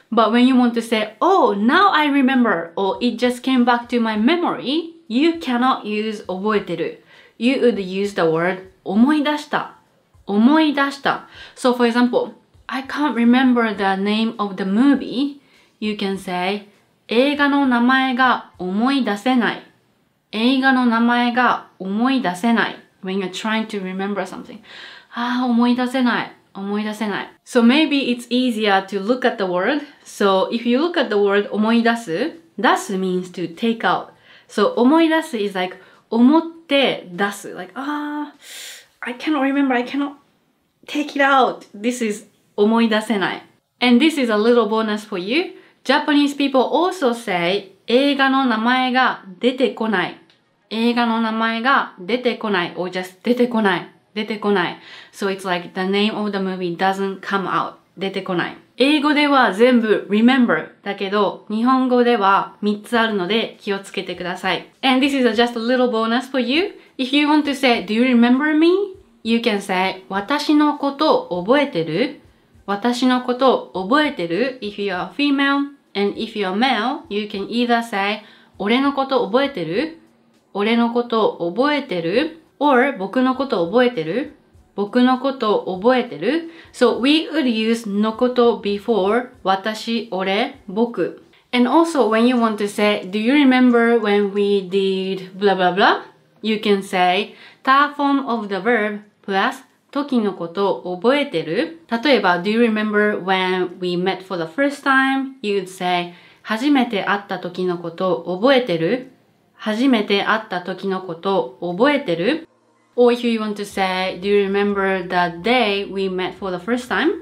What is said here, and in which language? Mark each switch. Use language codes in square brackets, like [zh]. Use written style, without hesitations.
[en] But when you want to say, oh, now I remember, or it just came back to my memory, you cannot use 覚えてる。 You would use the word [ja] 思い出した。思い出した。 [en] So for example, I can't remember the name of the movie. You can say, [ja] 映画の名前が思い出せない。映画の名前が思い出せない。 [en] When you're trying to remember something. [ja] ああ、思い出せない。思い出せない。 [en] So maybe it's easier to look at the word. So if you look at the word 思い出す、出す means to take out. So 思い出す is like [ja] 思って出す。 [en] Like, I cannot remember, I cannot take it out. This is 思い出せない。 And this is a little bonus for you. Japanese people also say [ja] 映画の名前が出てこない。映画の名前が出てこない。 [en] Or just [ja] 出てこない。出てこない。 [en] So it's like the name of the movie doesn't come out. [ja] 出てこない。英語では全部 remember だけど、日本語では3つあるので気をつけてください。 [en] And this is just a little bonus for you. If you want to say, do you remember me? You can say, [ja] 私のこと覚えてる?私のこと覚えてる? [en] If you are female. And if you are male, you can either say, [ja] 俺のこと覚えてる? 俺のこと覚えてる? Or, 僕のこと覚えてる? 僕のこと覚えてる? [en] So, we would use のこと before 私、俺、僕。 And also, when you want to say, do you remember when we did blah blah blah? You can say, ta form of the verb plus [ja] 時のこと覚えてる? [en] 例えば、do you remember when we met for the first time? You would say, [ja] 初めて会った時のこと覚えてる? 初めて会った時のこと覚えてる? [en] Or if you want to say, do you remember the day we met for the first time?